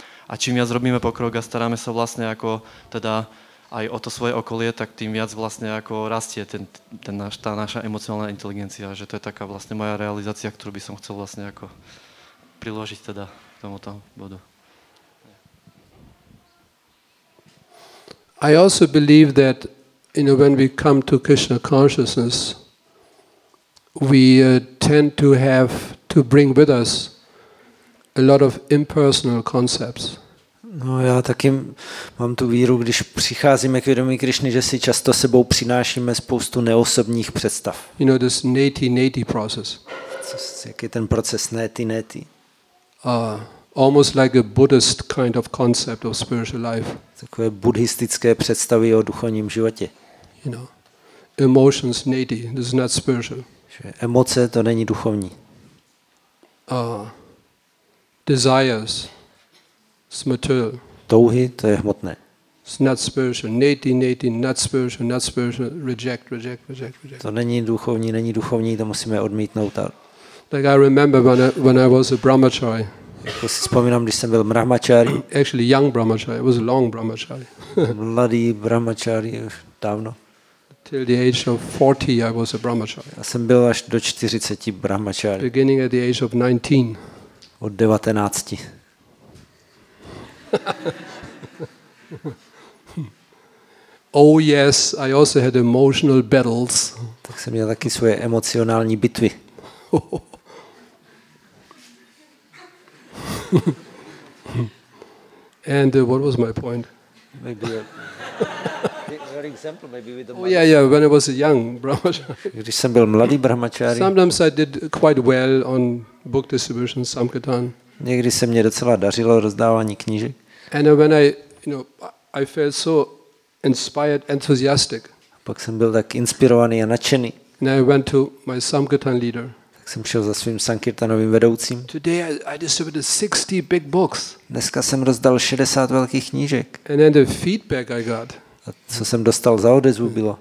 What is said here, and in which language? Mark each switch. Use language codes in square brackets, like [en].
[sk] A čím viac robíme pokrok a staráme sa vlastne ako teda aj o to svoje okolie, tak tým viac vlastne ako rastie tá naša emocionálna inteligencia. Že to je taká vlastne moja realizácia, ktorú by som chcel vlastne ako priložiť teda k tomuto bodu. [en] I also believe that, you know, when we come to Krishna consciousness, we tend to have to bring with us a lot of impersonal concepts. [cs] No, já taky mám tu víru, když přicházíme k vědomí Krišny, že si často sebou přinášíme spoustu neosobních představ. [en] You know, this neti-neti process. [cs] Jaký je ten proces neti-neti? [en] Almost like a Buddhist kind of concept of spiritual life. [cs] Takové buddhistické představy o duchovním životě. [en] You know, emotions neti, this is not spiritual. [cs] Že emoce, to není duchovní. [en] Desires. It's material. [cs] Touhy, to je hmotné. [en] It's not spiritual. Neti, neti, not spiritual, reject, reject, reject, reject. [cs] To není duchovní, to musíme odmítnout. [en] Like I remember when I was a brahmachari. [cs] Jako si vzpomínám, když jsem byl brahmachari. [en] Actually young brahmachari, it was a long brahmachari. [cs] Mladý brahmachari, už dávno. [en] Till the age of 40 I was a brahmachari. [cs] Já jsem byl až do 40 brahmachari. [en] Beginning at the age of 19. [cs] Od 19. [en] Oh yes, I also had emotional battles. [cs] Tak jsem měl taky svoje emocionální bitvy. [en] And what was my point? Maybe a very example, maybe with the. Oh yeah, yeah. When I was a young brahmachari. [cs] Když jsem byl mladý brahmachari. [en] Sometimes I did quite well on book distribution, samkirtan. [cs] Někdy se mě docela dařilo rozdávání knížek. [en] And when I, you know, I felt so inspired, enthusiastic. [cs] Pak jsem byl tak inspirovaný a nadšený. [en] And I went to my samkirtan leader. [cs] Tak jsem šel za svým sankirtanovým vedoucím. [en] Today I distributed 60 big books. [cs] Dneska jsem rozdal 60 velkých knížek. [en] And then the feedback I got. [cs] A co jsem dostal za odezvu bylo?